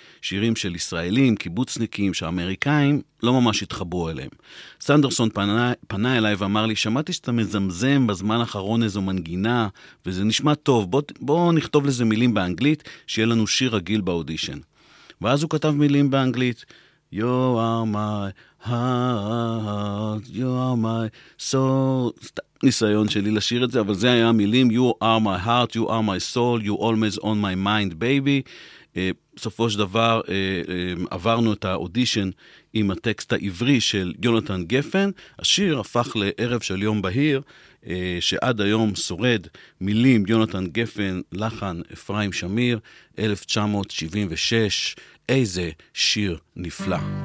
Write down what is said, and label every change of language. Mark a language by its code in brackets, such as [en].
[he] שירים של ישראלים, קיבוצניקים, שאמריקאים לא ממש התחברו אליהם. סנדרסון פנה אליי ואמר לי, שמעתי שאתה מזמזם בזמן האחרון איזו מנגינה, וזה נשמע טוב, בוא נכתוב לזה מילים באנגלית, שיהיה לנו שיר רגיל באודישן. ואז הוא כתב מילים באנגלית, [en] You are my heart, you are my soul. [he] ניסיון שלי לשיר את זה, אבל זה היה המילים. [en] You are my heart, you are my soul, you always on my mind, baby. [he] בסופו של דבר, עברנו את האודישן עם הטקסט העברי של יונתן גפן. השיר הפך לערב של יום בהיר, שעד היום שורד. מילים יונתן גפן, לחן אפרים שמיר, 1976, איזה שיר נפלא.